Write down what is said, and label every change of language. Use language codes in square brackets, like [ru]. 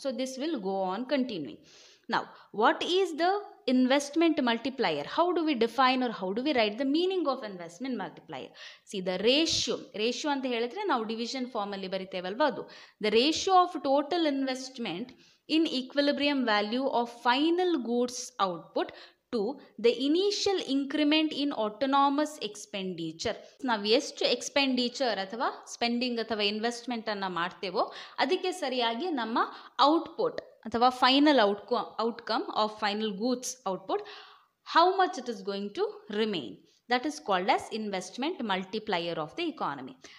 [en] So this will go on continuing. Now what is the investment multiplier? How do we define or how do we write the meaning of investment multiplier? See the ratio, [kn] ratio ಅಂತ ಹೇಳಿದ್ರೆ ನಾವು division ಫಾರ್ಮಲ್ಲಿ ಬರಿತೇವಲ್ವ, [en] ಅದು the ratio of total investment in equilibrium value of final goods output to the initial increment in autonomous expenditure. [kn] ನಾವು ಎಷ್ಟು expenditure ಅಥವಾ spending ಅಥವಾ investment ಅನ್ನ ಮಾಡ್ತೇವೋ ಅದಕ್ಕೆ ಸರಿಯಾಗಿ ನಮ್ಮ ಔಟ್ಪುಟ್ ಅಥವಾ final outcome of final goods output [en] How much it is going to remain that is called as investment multiplier of the economy.